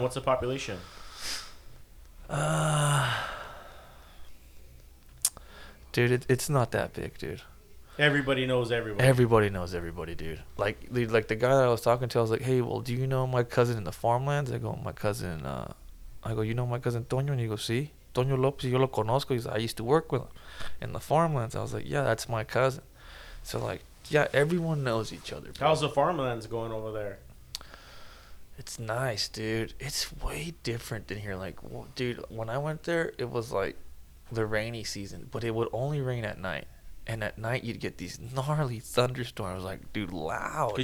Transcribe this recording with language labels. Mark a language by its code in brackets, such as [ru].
[en] What's the population? Dude, it's not that big, dude. Everybody knows everybody. Everybody knows everybody, dude. Like the guy that I was talking to, I was like, hey, well, do you know my cousin in the farmlands? You know my cousin Toño? And he goes, [es] sí, Toño López, yo lo conozco. [en] He's like, I used to work with him in the farmlands. I was like, yeah, that's my cousin. So, like, yeah, everyone knows each other. Bro. How's the farmlands going over there? It's nice, dude. It's way different than here. Like, dude, when I went there, it was like, the rainy season, but it would only rain at night, and at night you'd get these gnarly thunderstorms, like, dude, loud.